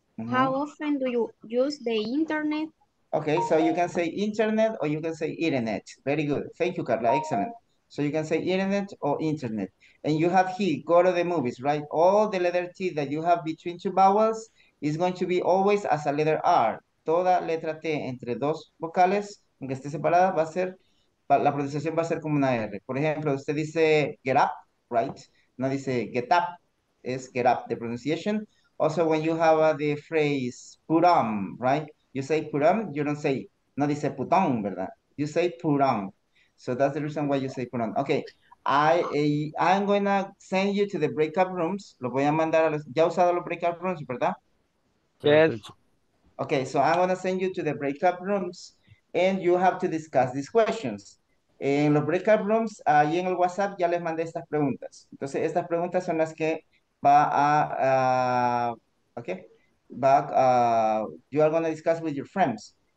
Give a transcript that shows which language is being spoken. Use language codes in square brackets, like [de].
[en] How often do you use the internet? Okay, so you can say internet or you can say internet. Very good. Thank you, Carla. Excellent. So you can say internet or internet. And you have he, go to the movies, right? All the letter T that you have between two vowels is going to be always as a letter R. [es] Toda letra T entre dos vocales, aunque esté separada, va a ser, la pronunciación va a ser como una R. Por ejemplo, usted dice [en] get up, right? [es] No dice [en] get up, es get up, the pronunciation. Also, when you have the phrase put on, right? You say put on, you don't say, [es] no dice [en] put on, ¿verdad? You say put on. So that's the reason why you say put on. Okay, I'm going to send you to the breakout rooms. [es] Lo voy a mandar a los, ya usado los breakout rooms, ¿verdad? [en] Yes. Okay, so I'm going to send you to the breakout rooms and you have to discuss these questions. [es] En los breakout rooms, ahí en el WhatsApp ya les mandé estas preguntas. Entonces, estas preguntas son las que va a, [en] okay, back, you are going to discuss with your friends.